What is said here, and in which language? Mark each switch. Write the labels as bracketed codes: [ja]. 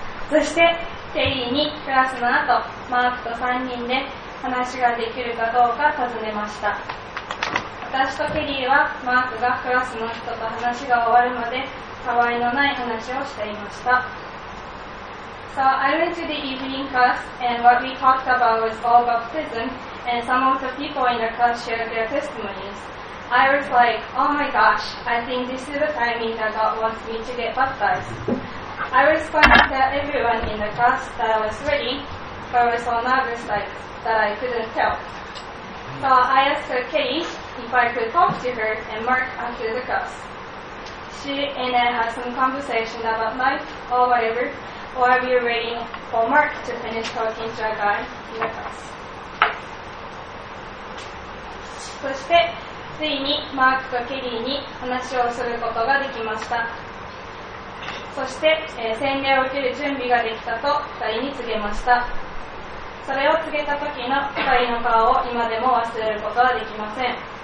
[ja] そしてケリーにクラスの後マークと3人で話ができるかどうか尋ねました。私とケリーはマークがクラスの人と話が終わるまでたわいのない話をしていました。 [en] So I went to the evening class and what we talked about was all baptism and some of the people in the class shared their testimonies. I was like, oh my gosh, I think this is the timing that God wants me to get baptized. I was going to tell everyone in the class that I was ready, but I was so nervous like, that I couldn't tell. So I asked Katie if I could talk to her and Mark after the class. She and I had some conversation about life or whatever, while we were waiting for Mark to finish talking to a guy in the class. [ja] そしてついにマークとケリーに話をすることができました。そして、洗礼を受ける準備ができたと2人に告げました。それを告げた時の2人の顔を今でも忘れることはできません。